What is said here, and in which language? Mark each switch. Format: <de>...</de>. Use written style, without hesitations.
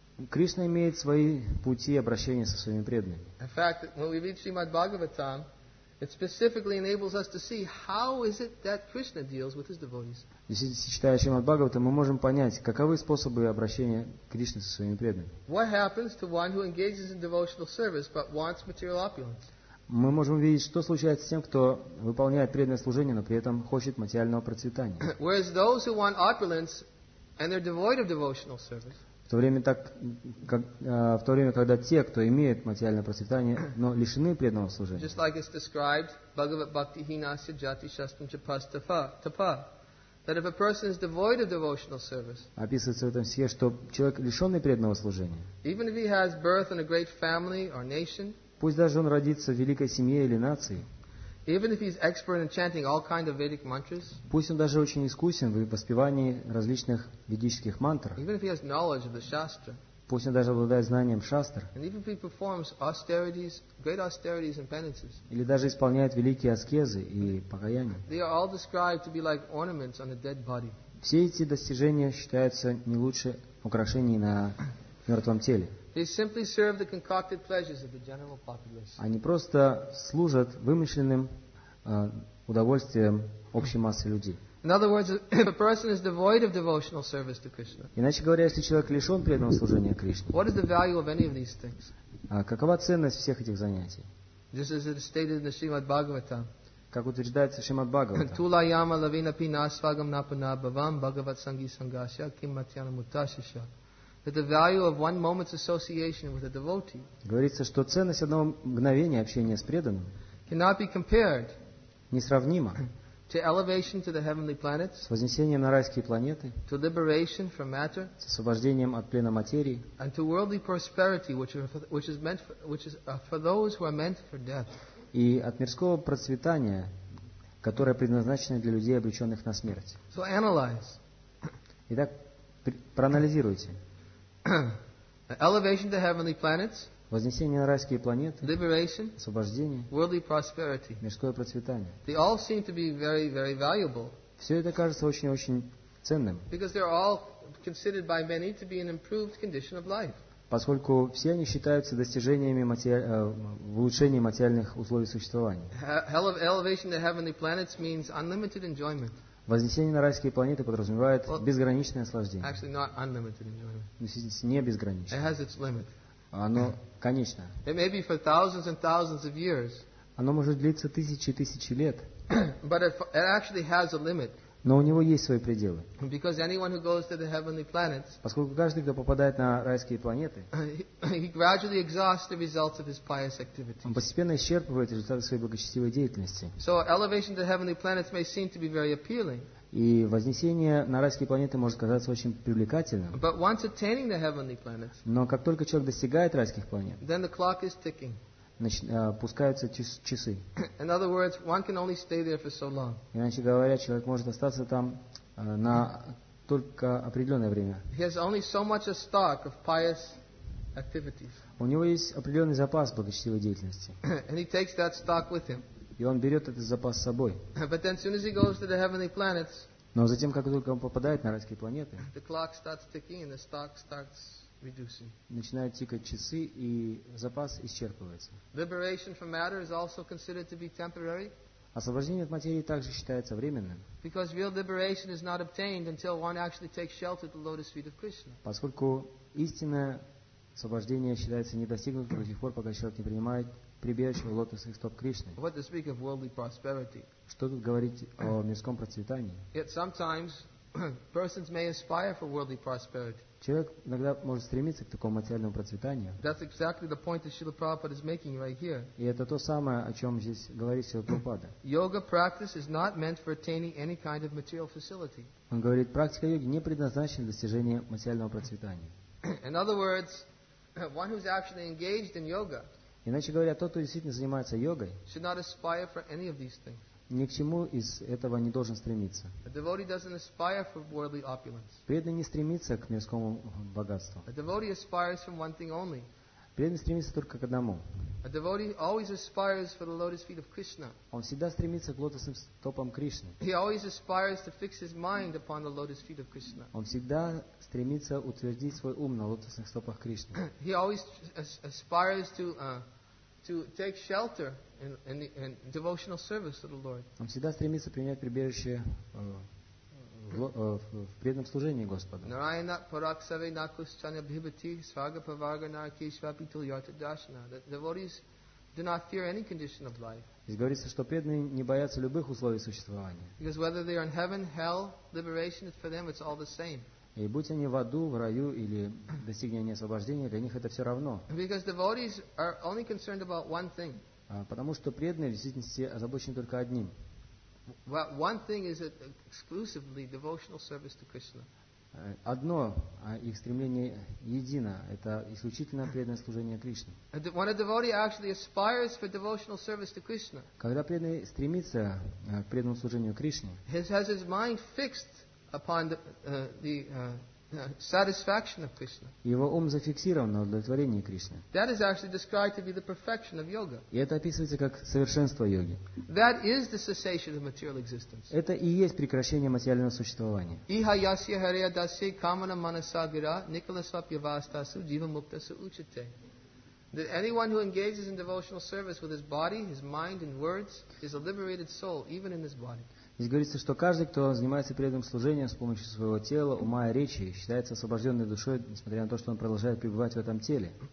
<ru>Кришна имеет свои пути обращения со своими преданными.</ru> <en>In fact, when we read Śrīmad-Bhāgavatam, it specifically enables us to see how is it that Krishna deals with his devotees.</en> <ru>Если читая Śrīmad-Bhāgavatam, мы можем понять, каковы способы обращения Кришны со своими преданными.</ru> <en>What happens to one who engages in devotional service but wants material opulence?</en> <ru>Мы можем увидеть, что случается с тем, кто выполняет преданное служение, но при этом хочет материального процветания.</ru> <en>Whereas those who want opulence and they're devoid of devotional service.</en> <ru>В то время, когда те, кто имеет материальное процветание, но лишены преданного служения, описывается в этом стихе, что человек, лишенный преданного служения, пусть даже он родится в великой семье или нации,</ru> <en>even if he's expert in chanting all kinds of Vedic mantras,</en> <ru>пусть он даже очень искусен в воспевании различных ведических мантр,</ru> <en>even if he has knowledge of the shastra,</en> <ru>пусть он даже обладает знанием шастр,</ru> <en>and even if he performs austerities, great austerities and penances,</en> <ru>или даже исполняет великие аскезы и покаяния,</ru> <en>they are all described to be like ornaments on a dead body.</en> <ru>Все эти достижения считаются не лучше украшений на мертвом теле.</ru> <en>They simply serve the concocted pleasures of the general populace.</en> <ru>Они просто служат вымышленным удовольствиям общей массы людей.</ru> <en>In other words, if a person is devoid of devotional service to Krishna.</en> <ru>Иначе говоря, если человек лишен преданного служения Кришне.</ru> <en>What is the value of any of these things?</en> <ru>Какова ценность всех этих занятий?</ru> <en>Just as it is stated in the Śrīmad-Bhāgavatam.</en> <ru>Как утверждается в Śrīmad-Bhāgavatam.</ru> <sa>Tula yama lavina pinasvagam napuna bhavam bhagavat sangi sangasya kim matyana mutashisha.</sa> <en>That the value of one moment's association with a devotee.</en> <ru>Говорится, что ценность одного мгновения общения с преданным</ru> <en>cannot be compared</en> <ru>несравнима</ru> <en>to elevation to the heavenly planets,</en> <ru>с вознесением на райские планеты,</ru> <en>to liberation from matter,</en> <ru>с освобождением от плена материи,</ru> <en>and to worldly prosperity, which is for those who are meant for death.</en> <ru>И от мирского процветания, которое предназначено для людей, обреченных на смерть.</ru> <en>So analyze.</en> <ru>Итак, проанализируйте.</ru> <en>Elevation to heavenly planets.</en> <ru>Вознесение на райские планеты.</ru> <en>Liberation.</en> <ru>Освобождение.</ru> <en>Worldly prosperity.</en> <ru>Мирское процветание.</ru> <en>They all seem to be very, very valuable.</en> <ru>Все это кажется очень-очень ценным.</ru> <en>Because they're all considered by many to be an improved condition of life.</en> <ru>Поскольку все они считаются достижениями в улучшении материальных условий существования.</ru> <en>Elevation to heavenly planets means unlimited enjoyment.</en> <ru>Вознесение на райские планеты подразумевает безграничное наслаждение.</ru> <en>Actually not unlimited enjoyment.</en> <ru>Не безграничное.</ru> <en>It has its limit.</en> <ru>Оно конечно.</ru> <en>It may be for thousands and thousands of years.</en> <ru>Оно может длиться тысячи и тысячи лет.</ru> <en>But it actually has a limit.</en> <ru>Но у него есть свои пределы.</ru> <en>Because anyone who goes to the heavenly planets,</en> <ru>поскольку каждый, кто попадает на райские планеты,</ru> <en>he gradually exhausts the results of his pious activities.</en> <ru>Он постепенно исчерпывает результаты своей благочестивой деятельности.</ru> <en>So elevation to heavenly planets may seem to be very appealing.</en> <ru>И вознесение на райские планеты может казаться очень привлекательным.</ru> <en>But once attaining the heavenly planets,</en> <ru>но как только человек достигает райских планет,</ru> <en>then the clock is ticking.</en> <ru>Пускаются часы.</ru> <en>In other words, one can only stay there for so long.</en> <ru>Иначе говоря, человек может остаться там на только определенное время.</ru> <en>He has only so much a stock of pious activities.</en> <ru>У него есть определенный запас благочестивой деятельности.</ru> <en>And he takes that stock with him.</en> <ru>И он берет этот запас с собой.</ru> <en>But then, as soon as he goes to the heavenly planets,</en> <ru>но затем, как только он попадает на райские планеты,</ru> <en>the clock starts ticking and the stock starts reducing.</en> <ru>Начинают тикать часы, и запас исчерпывается.</ru> <en>Liberation from matter is also considered to be temporary.</en> <ru>Освобождение от материи также считается временным.</ru> <en>Because real liberation is not obtained until one actually takes shelter at the lotus feet of Krishna.</en> <ru>Поскольку истинное освобождение считается недостигнутым до тех пор, пока человек не принимает прибежище в лотосных стоп Кришны.</ru> <en>What to speak of worldly prosperity?</en> <ru>Что тут говорить о мирском процветании?</ru> <en>Yet sometimes persons may aspire for worldly prosperity.</en> <ru>Человек иногда может стремиться к такому материальному процветанию.</ru> <en>That's exactly the point that Srila Prabhupada is making right here.</en> <ru>И это то самое, о чем здесь говорит Srila Prabhupada.</ru> <en>Yoga practice is not meant for attaining any kind of material facility.</en> <ru>Он говорит, практика йоги не предназначена для достижения материального процветания.</ru> <en>In other words, one who's actually engaged in yoga,</en> <ru>иначе говоря, тот, кто действительно занимается йогой,</ru> <en>should not aspire for any of these things.</en> <ru>Ни к чему из этого не должен стремиться.</ru> <en>A devotee doesn't aspire for worldly opulence.</en> <ru>Преданный не стремится к мирскому богатству.</ru> <en>A devotee aspires from one thing only.</en> <ru>Преданный стремится только к одному.</ru> <en>A devotee always aspires for the lotus feet of Krishna.</en> <ru>Он всегда стремится к лотосным стопам Кришны.</ru> <en>He always aspires to fix his mind upon the lotus feet of Krishna.</en> <ru>Он всегда стремится утвердить свой ум на лотосных стопах Кришны.</ru> <en>He always aspires to take shelter in devotional service to the Lord.</en> <ru>Он всегда стремится принять прибежище в преданном служении Господу.</ru> <sa>Narayana parakshave nakushchana bhibati svaga pavarga narakeshvapi til yata dashana.</sa> <en>The devotees do not fear any condition of life.</en> <ru>Здесь говорится, что преданные не боятся любых условий существования.</ru> <en>Because whether they are in heaven, hell, liberation, for them it's all the same.</en> <ru>И будь они в аду, в раю или достигнение освобождения, для них это все равно.</ru> <en>Because devotees are only concerned about one thing.</en> <ru>Потому что преданные в действительности озабочены только одним.</ru> <en>Well, one thing is exclusively devotional service to Krishna.</en> <ru>Одно их стремление едино, это исключительно преданное служение Кришне.</ru> <en>When a devotee actually aspires for devotional service to Krishna,</en> <ru>когда преданный стремится к преданному служению Кришне,</ru> <en>he has his mind fixed upon the satisfaction of Krishna.</en> <ru>Его ум зафиксирован на удовлетворении Кришны.</ru> <en>That is actually described to be the perfection of yoga.</en> <ru>И это описывается как совершенство йоги.</ru> <en>That is the cessation of material existence.</en> <ru>Это и есть прекращение материального существования.</ru> <sa>Iha yasya hariya dasya kamana manasagira nikalasvapyavastasu jivamuktasu uchate.</sa> <en>That anyone who engages in devotional service with his body, his mind and words is a liberated soul even in this body.</en> <ru>Здесь говорится, что каждый, кто занимается преданным служением с помощью своего тела, ума и речи, считается освобожденной душой, несмотря на то, что он продолжает пребывать в этом теле.</ru>